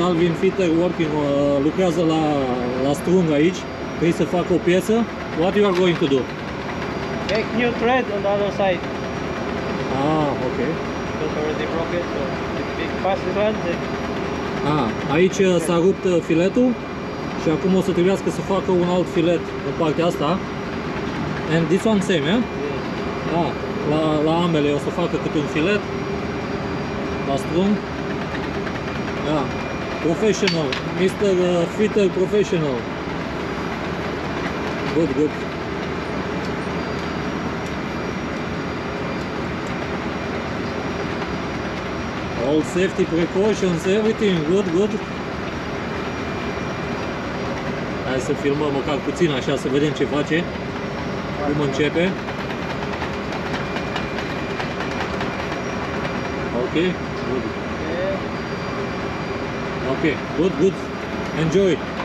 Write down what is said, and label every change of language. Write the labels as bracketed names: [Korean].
[Romanian] Alvin Fitter working, lucrează la strung aici, trebuie să facă o piesă. [English] What you are going to do? Make new thread on the other side. Ah, ok. It's already broken, so it's fast to run. [Romanian] Aici okay. S-a rupt filetul și acum o să trebuiască să facă un alt filet în partea asta. [English] And this one same, eh? Yes. [Romanian] La ambele o să facă cât un filet la strung. [English] Da, professional, Mr. Fitter professional. Good. All safety precautions, everything, good. [Romanian] Hai să filmăm măcar puțin așa, să vedem ce face, cum începe. [English] Ok, good. Ok, good. Enjoy!